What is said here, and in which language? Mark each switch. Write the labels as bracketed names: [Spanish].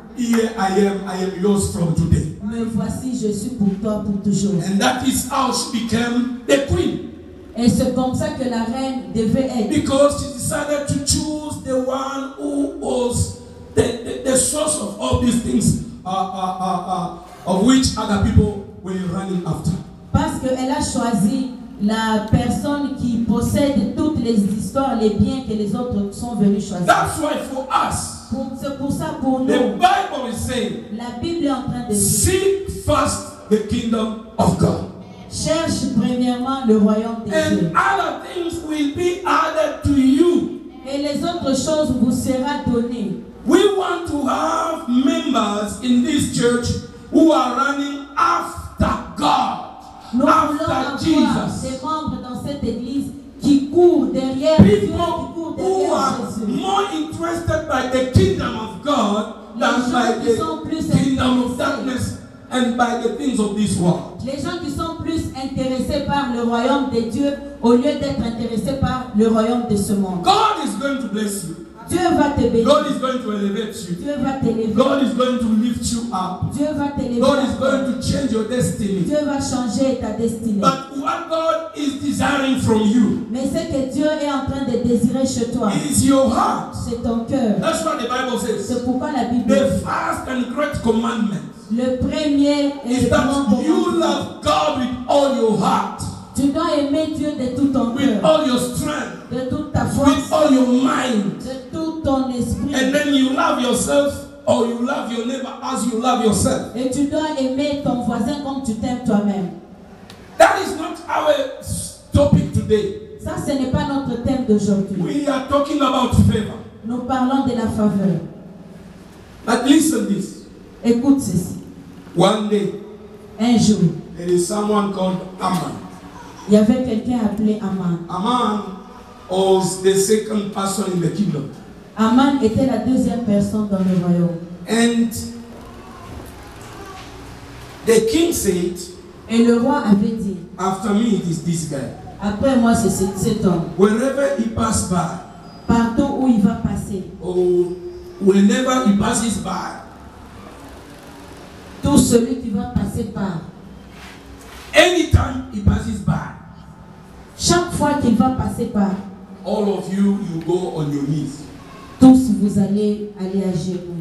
[English] Here I am yours from today. [French] Me voici, je suis pour toi pour toujours. [English] And that is how she became the queen. [French] Et c'est comme ça que la reine devait être. [English] Because she decided to choose the one who was the source of all these things. Of which other people were running after. [French] Parce que elle a choisi la personne qui possède toutes les histoires, les biens que les autres sont venus choisir. [English] That's why for us. [French] C'est pour ça pour [English] the [French] nous. [English] The Bible is saying. [French] La Bible est en train de dire. [English] Seek first the kingdom of God. [French] Cherche premièrement le royaume de Dieu. [English] And other things will be added to you. [French] Et les autres choses vous seront données. [English] We want to have members in this church who are running after God, after Jesus. [French] Des membres dans cette église qui courent derrière Dieu, qui courent derrière [English] People who are more interested by the kingdom of God than by the kingdom of darkness and by the things of this world. [French] Les gens qui sont plus intéressés par le royaume de Dieu au lieu d'être intéressés par le royaume de ce monde. [English] God is going to bless you. [French] Dieu va te bénir. [English] God is going to elevate you. [French] Dieu va t'élever. [English] God is going to lift you up. [French] Dieu va t'élever. [English] God is going to change your destiny. [French] Dieu va changer ta destinée. [English] But what God is desiring from you? [French] Mais ce que Dieu est en train de désirer chez toi. [English] Is your heart. [French] C'est ton cœur. [English] That's what the Bible says. [French] C'est pourquoi la Bible dit. [English] The first and great commandment. [French] Le premier [English] is that you love God with all your heart. [French] Tu dois aimer Dieu de tout ton cœur. [English] With all your strength. [French] De toute ta force. [English] With all your mind. [French] Ton esprit. [English] And then you love yourself or you love your neighbor as you love yourself. [French] Et tu dois aimer ton voisin comme tu t'aimes toi-même. [English] That is not our topic today. [French] Ça, ce n'est pas notre thème d'aujourd'hui. [English] We are talking about favor. [French] Nous parlons de la faveur. [English] But listen this. [French] Écoute ceci. [English] One day, [French] un jour, [English] there is someone called Aman. [French] Il y avait quelqu'un appelé Aman. [English] Aman was the second person in the kingdom. [French] Aman était la deuxième personne dans le royaume. [English] And the king said, [French] et le roi avait dit, [English] after me it is this guy. [French] Après moi c'est cet homme. [English] Wherever he passes by, [French] partout où il va passer. [English] Or whenever he passes by, [French] tout celui qui va passer par. [English] Anytime he passes by, [French] chaque fois qu'il va passer par. [English] All of you, you go on your knees. [French] Tous vous allez aller à Jéhovah.